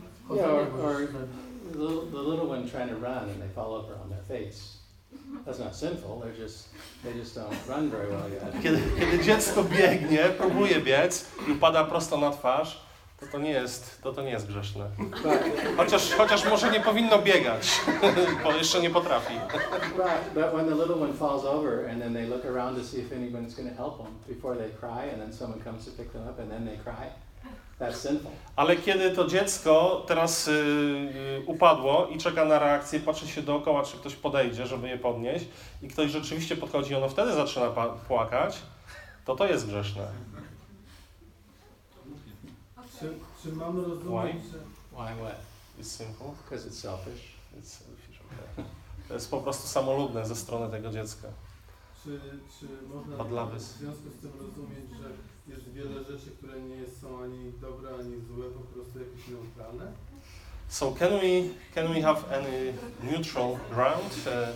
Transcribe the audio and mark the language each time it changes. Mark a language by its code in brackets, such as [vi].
[en] Yeah, or the little one trying to run and they fall over on their face. That's not sinful, they just don't run very well yet. [pl] Kiedy dziecko biegnie, próbuje biec i upada prosto na twarz, to nie jest grzeszne. Chociaż może nie powinno biegać, bo jeszcze nie potrafi. [en] But when the little one falls over and then they look around to see if anyone's going to help them before they cry and then someone comes to pick them up and then they cry. That's sinful. [pl] Ale kiedy to dziecko teraz upadło i czeka na reakcję, patrzy się dookoła, czy ktoś podejdzie, żeby je podnieść i ktoś rzeczywiście podchodzi i ono wtedy zaczyna płakać, to jest grzeszne. Czy mam rozumieć, że... [en] Why? What? It's simple. Because it's selfish. It's selfish, okay. [pl] To jest po prostu samolubne ze strony tego dziecka. Czy można w związku z tym rozumieć, że jest wiele rzeczy, które nie są ani dobre, ani złe, po prostu jakieś neutralne? [en] So can we have any neutral ground?